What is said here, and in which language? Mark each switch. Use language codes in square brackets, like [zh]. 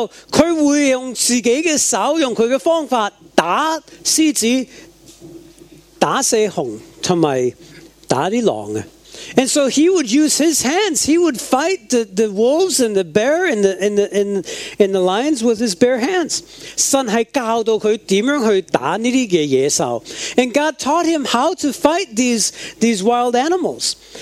[zh] 他会用自己的手，用他的方法打狮子、打死熊，还有打狼。 [en] And so he would use his hands. He would fight the wolves and the bear and the lions with his bare hands. [zh] 神是教导他怎样去打这些野兽。 [en] And God taught him how to fight these wild animals.